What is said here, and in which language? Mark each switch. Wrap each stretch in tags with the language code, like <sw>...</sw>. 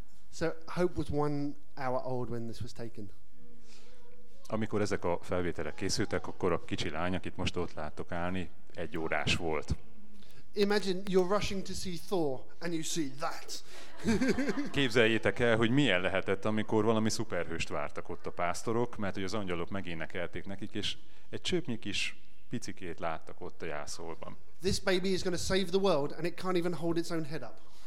<en>So hope was 1 hour old when this was taken.</en> <hu>Amikor ezek a felvételek készültek, akkor a kicsi lány, akit most ott láttok állni, 1 órás volt.</hu> <en>Imagine you're rushing to see Thor and you see that.</en> <hu>Képzeljétek el, hogy milyen lehetett, amikor valami szuperhőst vártak ott a pásztorok, mert hogy az angyalok megénekelték nekik, és egy csöpnyi kis picikét láttak ott a jászolban.</hu> <en>This baby is going to save the world and it can't even hold its own head up.</en>